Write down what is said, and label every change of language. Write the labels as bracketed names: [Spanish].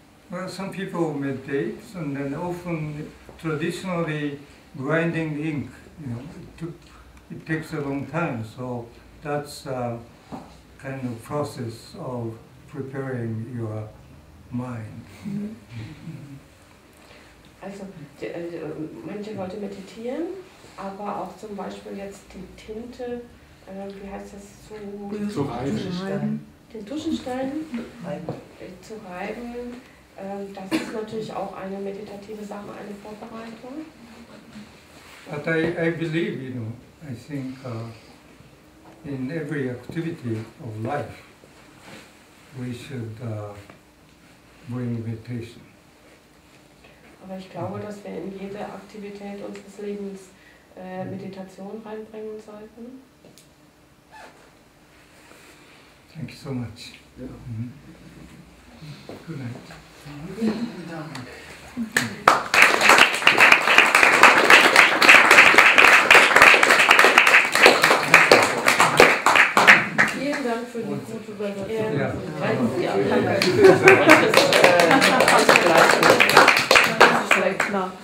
[English] Well, some people meditate, and then often traditionally grinding ink, you know, it takes a long time, so that's a kind of process of preparing your mind. Mm-hmm. [German] Also, manche Leute meditieren, aber auch zum Beispiel jetzt die Tinte, wie heißt das, zu reiben, das ist natürlich auch eine meditative Sache, eine Vorbereitung. [English] But I believe, you know, I think in every activity of life, we should bring meditation. [German] Aber ich glaube, dass wir in jeder Aktivität unseres Lebens Meditation reinbringen sollten. [English] Thank you so much. Yeah. Mm-hmm. Good night.